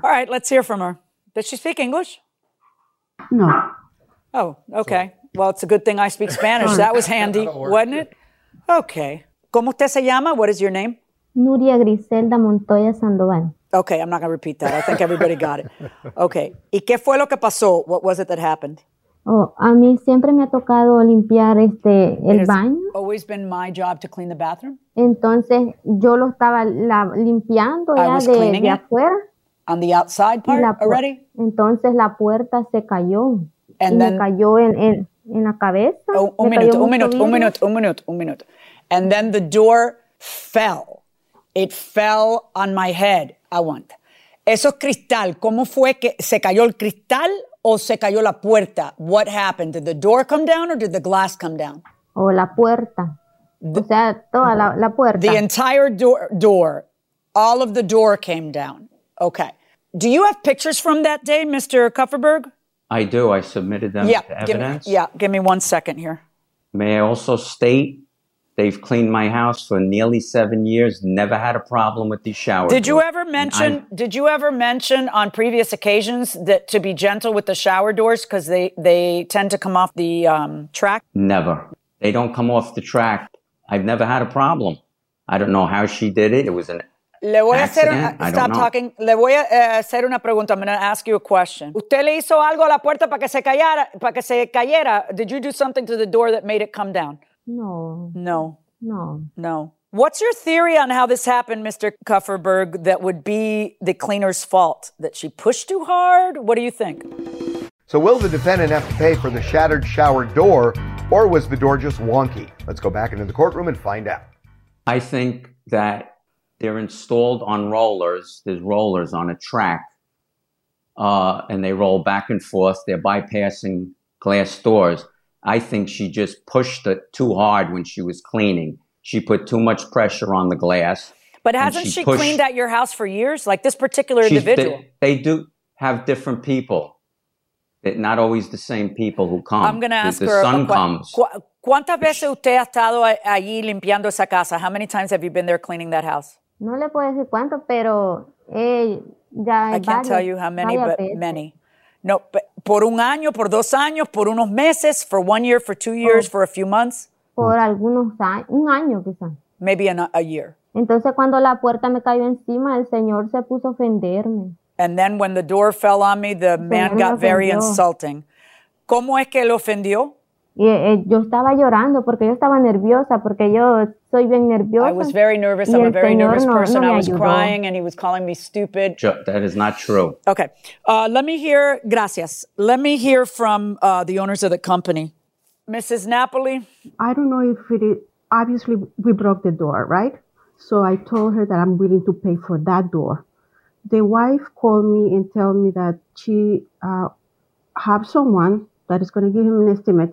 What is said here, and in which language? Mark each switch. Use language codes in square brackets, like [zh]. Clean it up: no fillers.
[en] All right, let's hear from her. Does she speak English? No. Oh, okay. So, well, it's a good thing I speak Spanish. That was handy, wasn't it? Okay. [es] ¿Cómo usted se llama? [en] What is your name? [es] Nuria Griselda Montoya Sandoval. [en] Okay, I'm not going to repeat that. I think everybody got it. Okay. [es] ¿Y qué fue lo que pasó? [en] What was it that happened? [es] Oh, a mí siempre me ha tocado limpiar el baño. [en] It's always been my job to clean the bathroom. [es] Entonces, yo lo estaba limpiando ya de afuera. [en] On the outside part already? [es] Entonces la puerta se cayó. [en] And [es] y [en] then, [es] me cayó en la cabeza. Oh, un minuto. [en] And then the door fell. It fell on my head. I want. [es] Eso cristal, ¿cómo fue que se cayó el cristal o se cayó la puerta? [en] What happened? Did the door come down or did the glass come down? [es] Oh, la puerta. La puerta. [en] The entire door. All of the door came down. Okay. Do you have pictures from that day, Mr. Kupferberg? I do. I submitted them to evidence. Give me 1 second here. May I also state they've cleaned my house for nearly 7 years, never had a problem with these showers. Did you ever mention on previous occasions that to be gentle with the shower doors, because they tend to come off the track? Never. They don't come off the track. I've never had a problem. I don't know how she did it. It was an [es] Le voy a hacer, [en] stop talking. [es] Le voy a hacer una pregunta. [en] I'm going to ask you a question. [es] ¿Usted le hizo algo a la puerta para que se cayera? [en] Did you do something to the door that made it come down? [es] No. [en] What's your theory on how this happened, Mr. Kupferberg, that would be the cleaner's fault? That she pushed too hard? What do you think? So will the defendant have to pay for the shattered shower door Or was the door just wonky? Let's go back into the courtroom and find out. I think that they're installed on rollers. There's rollers on a track, and they roll back and forth. They're bypassing glass doors. I think she just pushed it too hard when she was cleaning. She put too much pressure on the glass. But hasn't she cleaned at your house for years? Like this particular individual? They do have different people. It, not always the same people who come. I'm going to ask her. The sun comes. [es] ¿Cuántas veces usted ha estado allí limpiando esa casa? [en] How many times have you been there cleaning that house? [es] No le puedo decir cuánto, pero ya [en] I can't tell you how many, but many. [es] No, por un año, por dos años, por unos meses, [en] for 1 year, for 2 years, for a few months. [es] Por algunos años, un año quizás. [en] Maybe a year. [es] Entonces cuando la puerta me cayó encima, el señor se puso a ofenderme. [en] And then when the door fell on me, the man got very insulting. [es] ¿Cómo es que lo ofendió? Yo estaba llorando porque yo estaba nerviosa, porque yo soy bien nerviosa. [en] I was very nervous. I'm a very nervous person. I was crying and he was calling me stupid. That is not true. Okay. Gracias. Let me hear from the owners of the company. Mrs. Napoli? I don't know if it is. Obviously, we broke the door, right? So I told her that I'm willing to pay for that door. The wife called me and tell me that she have someone that is going to give him an estimate.